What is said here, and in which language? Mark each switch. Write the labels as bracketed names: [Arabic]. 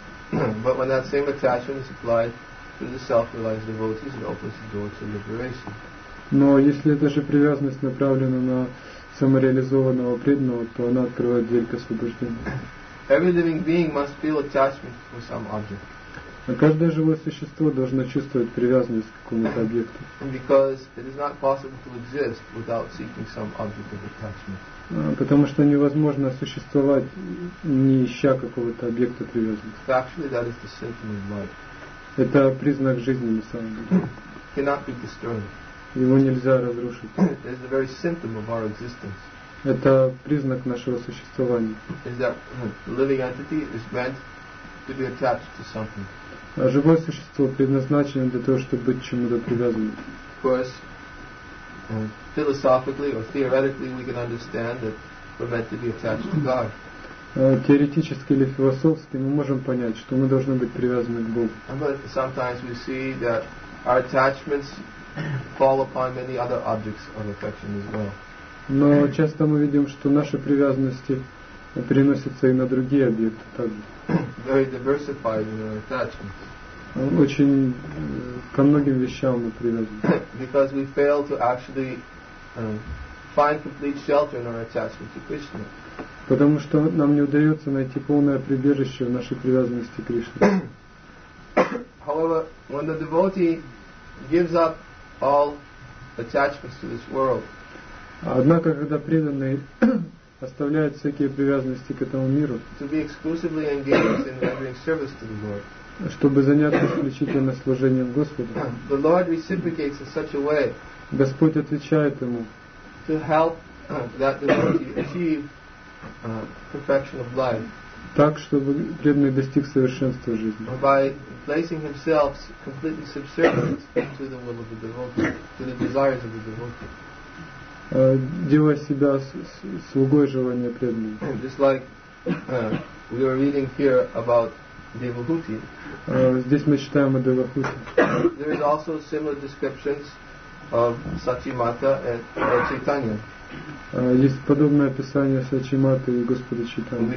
[English] But when that same attachment is applied to the self-realized devotees, it opens the door to liberation. [Russian] Но если эта же привязанность направлена на самореализованного преданного, то она открывает дверь к освобождению. [English] Every living being must feel attachment for some object. [Russian] Но каждое живое существо должно чувствовать привязанность к какому-то объекту. [English] Because it is not possible to exist without seeking some object of attachment. [Russian] Потому что невозможно существовать, не ища какого-то объекта привязанности. [English] Factually, that is the symptom of life. [Russian] Это признак жизни на самом деле. [English] Cannot be destroyed. [Russian] Его нельзя разрушить. [English] It is the very symptom of our existence. [Russian] Это признак нашего существования. [English] Is that the living entity is meant to be attached to something. [Russian] А живое существо предназначено для того, чтобы быть чему-то привязанным. [English] Of course, philosophically or theoretically we can understand that we're meant to be attached to God. [Russian] Теоретически или философски мы можем понять, что мы должны быть привязаны к Богу. [English] But sometimes we see that our attachments fall upon many other objects of affection as well. [Russian] Но часто мы видим, что наши привязанности переносятся и на другие объекты также. [English] Very diversified in our attachments. [Russian] Очень ко многим вещам мы привязаны. [English] Because we fail to actually find complete shelter in our attachment to Krishna. [Russian] Потому что нам не удается найти полное прибежище в нашей привязанности к Кришне. [English] However, when the devotee gives up all attachments to this world. [Russian] Однако, когда преданный оставляет всякие привязанности к этому миру, [English] to be exclusively engaged in rendering service to the Lord, [Russian] чтобы заняться исключительно служением Господу, [English] the Lord reciprocates in such a way, [Russian] Господь отвечает ему, [English] to help that devotee achieve perfection of life. [Russian] Так, чтобы преданный достиг совершенства жизни. [English] By placing himself completely subservient to the will of the devotee, to the desires of the devotee. [Russian] Делая себя слугой желания преданного. [English] Just like we are reading here about Devahuti. [Russian] Здесь мы читаем о Девахуте. [English] There is also similar descriptions of Сачимата and Чайтанья. [Russian] Есть подобное описание Сачимата и Господа Чайтаньи.